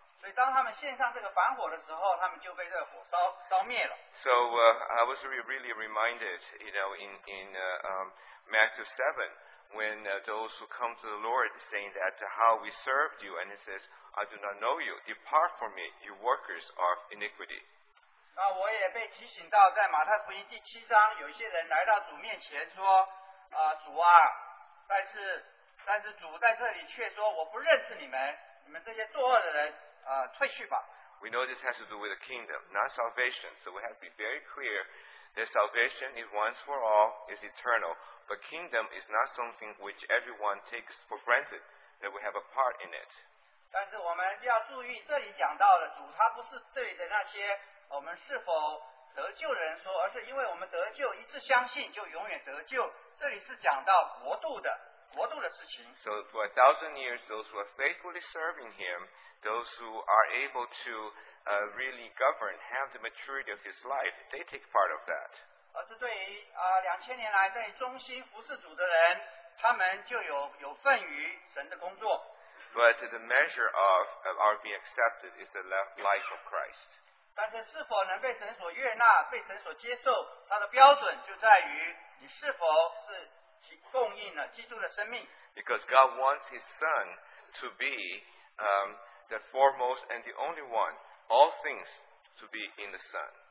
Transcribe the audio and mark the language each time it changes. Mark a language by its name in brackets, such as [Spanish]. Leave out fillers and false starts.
[Chinese] 所以当他们献上这个燔火的时候，他们就被这个火烧灭了。 [English] So I was really reminded, in Matthew 7, when those who come to the Lord saying that how we served you, and he says, I do not know you, depart from me, you workers of iniquity. [Chinese] 我也被提醒到在马太福音第七章，有些人来到主面前说，主啊，但是主在这里却说，我不认识你们，你们这些作恶的人，退去吧。 [English] We know this has to do with the kingdom, not salvation. So we have to be very clear that salvation is once for all, is eternal. But kingdom is not something which everyone takes for granted, that we have a part in it. [Chinese] 但是我们要注意，这里讲到的主，他不是对着那些我们是否得救的人说，而是因为我们得救，一次相信就永远得救。 [English] So for 1,000 years, those who are faithfully serving him, those who are able to really govern, have the maturity of his life, they take part of that. [Chinese] 而是对于, [English] but the measure of our being accepted is the life of Christ. [Chinese] 被神所接受,它的标准就在于你是否是供应了基督的生命。 [English] Because God wants His Son to be the foremost and the only one, all things to be in the Son.